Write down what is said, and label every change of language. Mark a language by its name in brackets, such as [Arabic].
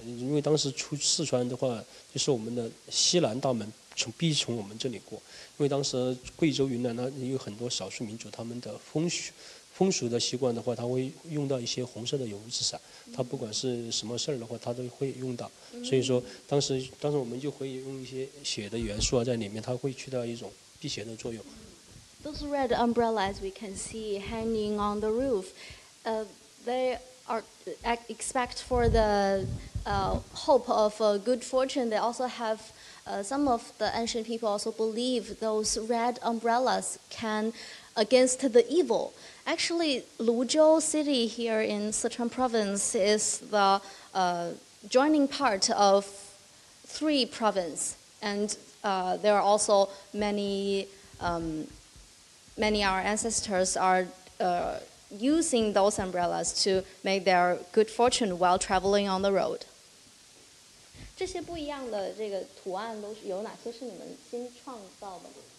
[Chinese] 因为当时出四川的话，就是我们的西南大门必从我们这里过，因为当时贵州云南呢有很多少数民族，他们的风俗的习惯的话，他会用到一些红色的油纸伞，他不管是什么事儿的话他都会用到。所以说当时我们就会用一些血的元素啊在里面，它会起到一种辟邪的作用。 [English] Those red umbrellas we can see hanging on the roof, they are expect for the hope of good fortune. They also have some of the ancient people also believe those red umbrellas can against the evil. Actually, Luzhou City here in Sichuan province is the joining part of three provinces, and there are also many our ancestors are using those umbrellas to make their good fortune while traveling on the road. [Chinese] 这些不一样的这个图案都是有哪些是你们新创造的？